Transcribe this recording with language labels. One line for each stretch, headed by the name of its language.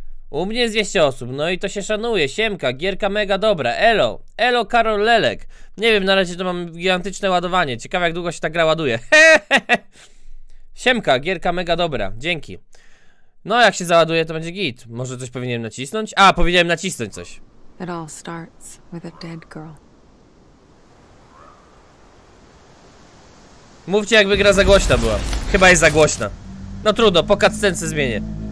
Polish: U mnie jest 200 osób, no i to się szanuje. Siemka, gierka mega dobra. Elo, elo Karol Lelek. Nie wiem, na razie to mam gigantyczne ładowanie. Ciekawe, jak długo się ta gra ładuje. Siemka, gierka mega dobra. Dzięki. No, jak się załaduje, to będzie git. Może coś powinienem nacisnąć? A, powinienem nacisnąć coś.
English: It all starts with a dead girl.
Polish: Mówcie, jakby gra za głośna była. Chyba jest za głośna. No trudno, po cutscence zmienię.